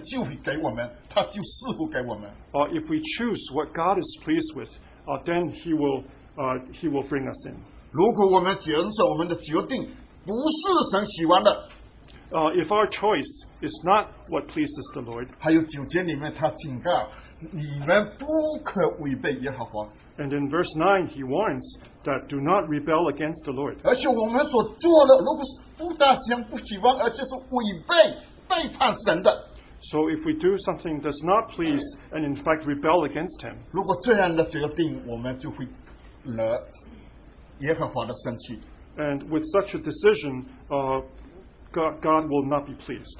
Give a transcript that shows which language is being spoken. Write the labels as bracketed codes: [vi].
[zh] 如果我们拣选耶和华所喜悦的，我们耶和华喜欢为喜欢，神就会给我们，他就赐福给我们。 [en] If we choose what God is pleased with, then He will bring us in. [zh] 如果我们拣选我们的决定不是神喜欢的。 [en] If our choice is not what pleases the Lord, [zh] 还有九节里面他警告, [en] and in verse 9, he warns that do not rebel against the Lord. [zh] 而且我们所做的,如果是不大行,不喜欢,而且是违背,背叛神的, [en] so if we do something that does not please and in fact rebel against him, [zh] 如果这样的决定,我们就会惹耶和华的生气, [en] and with such a decision, God will not be pleased.